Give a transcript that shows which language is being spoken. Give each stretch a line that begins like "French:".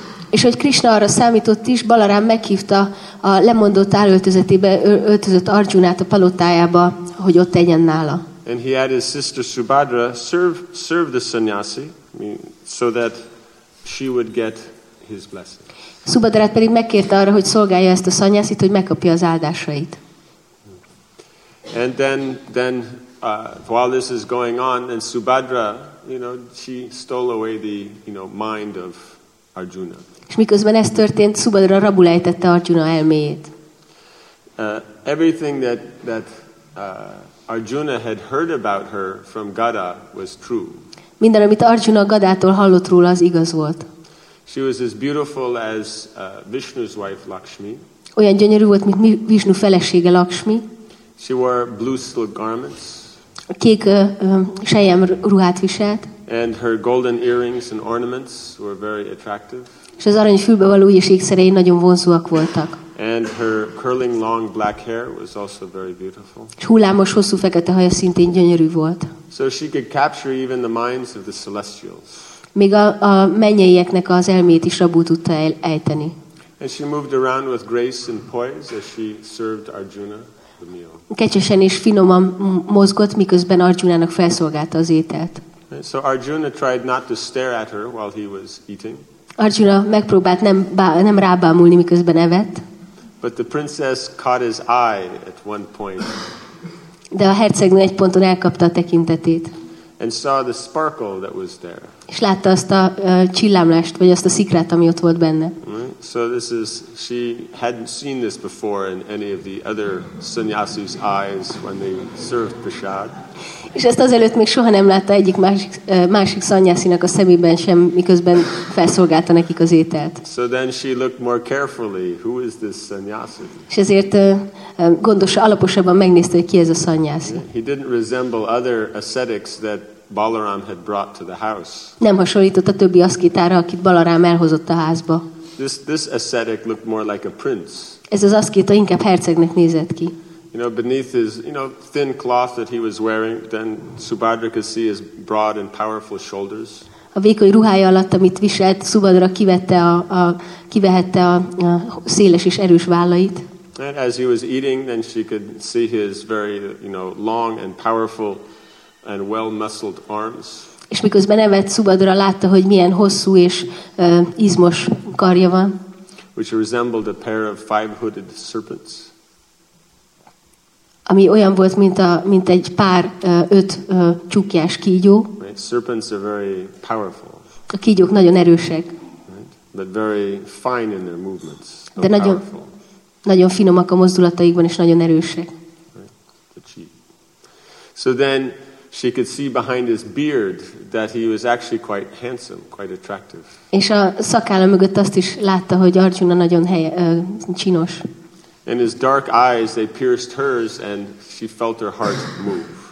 Hungarian: És hogy Krishna arra számított is, Balaram meghívta a lemondott állöltözetébe öltözött Arjunát a palotájába, hogy ott tegyen nála.
English: And he had his sister Subhadra serve the sannyasi, so that she would get his blessing.
Hungarian: Subhadrát pedig megkérte arra, hogy szolgálja ezt a szanyászit, hogy megkapja az áldásait.
English: And then while this is going on, and Subhadra, she stole away the mind of Arjuna.
Hungarian: És miközben ez történt, Subhadra rabul ejtette Arjuna elméjét.
English: Everything that Arjuna had heard about her from Gada was true.
Hungarian: Minden, amit Arjuna Gadától hallott róla, az igaz volt.
English: She was as beautiful as Vishnu's wife Lakshmi.
Hungarian: Olyan gyönyörű volt, mint Vishnu felesége Lakshmi.
English: She wore blue silk garments.
Hungarian: Kék selyem ruhát viselt.
English: And her golden earrings and ornaments were very attractive.
Hungarian: És az arany fülbevalói és ékszerei nagyon vonzóak voltak.
English: And her curling long black hair was also very beautiful.
Hungarian: És hullámos hosszú fekete haja szintén gyönyörű volt.
English: So she could capture even the minds of the celestials.
Hungarian: Még a mennyeieknek az elmét is rabul tudta ejteni.
English: And she moved around with grace and poise as she served Arjuna the meal.
Hungarian: Kecsesen és finoman mozgott, miközben Arjunának felszolgálta az ételt.
English: So Arjuna tried not to stare at her while he was eating.
Hungarian: Arjuna megpróbált nem rábámulni, miközben evett.
English: But the princess caught his eye at one point.
Hungarian: De a hercegnő egy ponton elkapta a tekintetét.
English: And saw the sparkle that was there.
Hungarian: És látta azt a csillámlást, vagy azt a szikrát, ami ott volt benne.
English: So this is, she hadn't seen this before in any of the other sannyasis' eyes when they served prasad.
Hungarian: És ezt azelőtt még soha nem látta egyik másik szanyászinak a szemében sem, miközben felszolgálta nekik az ételt.
English: So then she looked more carefully, who is this sannyasi?
Hungarian: És ezért alaposabban megnézte, hogy ki ez a szanyászi.
English: He didn't resemble other ascetics that Balaram had brought to the house.
Hungarian: Nem hasonlított a többi aszkitára, akit Balaram elhozott a házba.
English: This ascetic looked more like a prince.
Hungarian: Ez az aszkita inkább hercegnek nézett ki.
English: Beneath his thin cloth that he was wearing, then Subhadra could see his broad and powerful shoulders.
Hungarian: A vékony ruhája alatt, amit viselt, Subhadra kivehette a széles és erős vállait.
English: And as he was eating, then she could see his very long and powerful and well-muscled arms.
Hungarian: És miközben evett, Subhadra látta, hogy milyen hosszú és izmos karja van.
English: Which resembled a pair of five-hooded serpents.
Hungarian: Ami olyan volt, mint egy pár öt csuklyás kígyó.
English: Right. Serpents are very powerful.
Hungarian: A kígyók nagyon erősek.
English: Right. But very fine in their movements.
Hungarian: De nagyon finomak a mozdulataikban, és nagyon erősek.
English: Right. So then she could see behind his beard that he was actually quite handsome, quite attractive.
Hungarian: És a szakálla mögött azt is látta, hogy Arjuna nagyon csinos.
English: And his dark eyes, they pierced hers, and she felt her heart move.